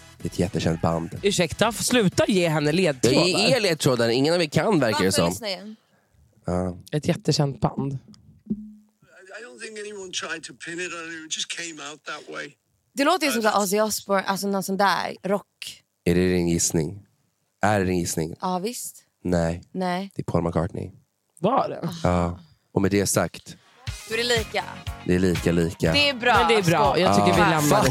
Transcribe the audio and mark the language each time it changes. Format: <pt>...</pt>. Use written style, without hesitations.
<sv>Det är ett jättekänt band. Ursäkta, sluta ge henne ledtrådar. Det är ledtrådar, ingen av er kan verkar det som. Ett jättekänt band.</sv> <en>I don't think anyone tried to pin it on you. It just came out that way.</en> <sv>Det låter ju som Ozzy Osbourne, alltså någon sån där rock. Är det din gissning? Är det din gissning? Ja, visst. Nej. Nej. Det är Paul McCartney. Var det? Ja. Och med det sagt... Du är lika. Det är lika. Det är bra. Men det är bra. Jag tycker vi lämnar det.</sv>